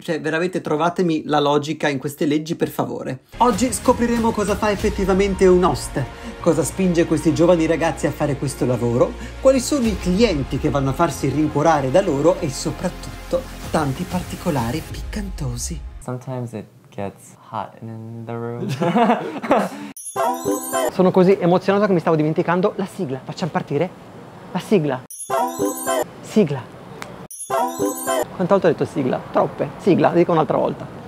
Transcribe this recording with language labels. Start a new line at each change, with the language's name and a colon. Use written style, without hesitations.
Italian: Cioè, veramente trovatemi la logica in queste leggi, per favore. Oggi scopriremo cosa fa effettivamente un host, cosa spinge questi giovani ragazzi a fare questo lavoro, quali sono i clienti che vanno a farsi rincuorare da loro e soprattutto tanti particolari piccantosi.
English: Sometimes it gets hot in the room.
Italian: Sono così emozionato che mi stavo dimenticando la sigla. Facciamo partire la sigla. Sigla. Quante volte ho detto sigla? Troppe. Sigla, dico un'altra volta.